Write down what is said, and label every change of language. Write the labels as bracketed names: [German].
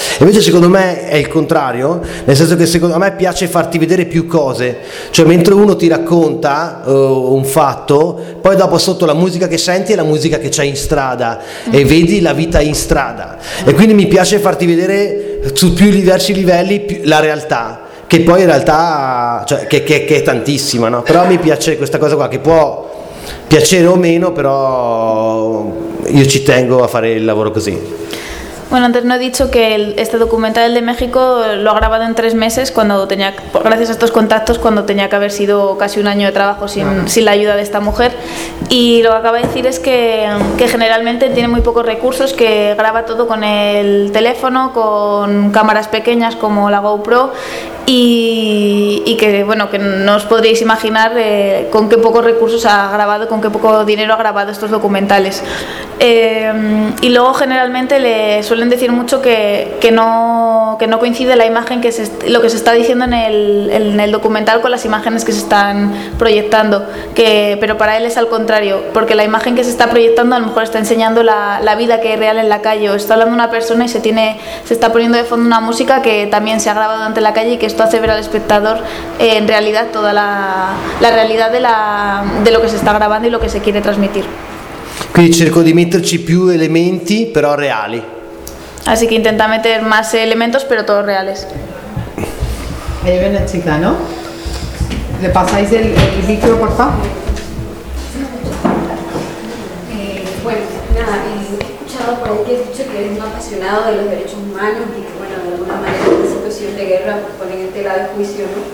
[Italian] Invece secondo me è il contrario, nel senso che secondo me piace farti vedere più cose, cioè mentre uno ti racconta un fatto, poi dopo sotto la musica che senti è la musica che c'è in strada e vedi la vita in strada, e quindi mi piace farti vedere su più diversi livelli la realtà, che poi in realtà, cioè, che è tantissima, no? Però mi piace questa cosa qua, che può piacere o meno, però io ci tengo a fare il lavoro così. [Spanish] Bueno, antes no he dicho que este documental de México lo ha grabado en 3 meses, cuando tenía, gracias a estos contactos, cuando tenía que haber sido casi un año de trabajo sin la ayuda de esta mujer. Y lo que acaba de decir es que generalmente tiene muy pocos recursos, que graba todo con el teléfono, con cámaras pequeñas como la GoPro, y que, bueno, que no os podríais imaginar con qué pocos recursos ha grabado, con qué poco dinero ha grabado estos documentales. Y luego generalmente le suelen decir mucho que no coincide la imagen, lo que se está diciendo en el documental con las imágenes que se están proyectando, pero para él es al contrario, porque la imagen que se está proyectando a lo mejor está enseñando la vida que hay real en la calle, o está hablando una persona y se está poniendo de fondo una música que también se ha grabado ante la calle, y que esto hace ver al espectador en realidad toda la realidad de lo que se está grabando y lo que se quiere transmitir. [Italian] Quindi cerco di metterci più elementi, però reali. [Spanish] Así que intenta meter más elementos, pero todos reales. Ahí viene chica, ¿no? ¿Le pasáis el micro, por favor? Por ahí que has dicho que eres un apasionado de los derechos humanos y que, bueno, de alguna manera esta situación de guerra pone en tela de juicio, ¿no?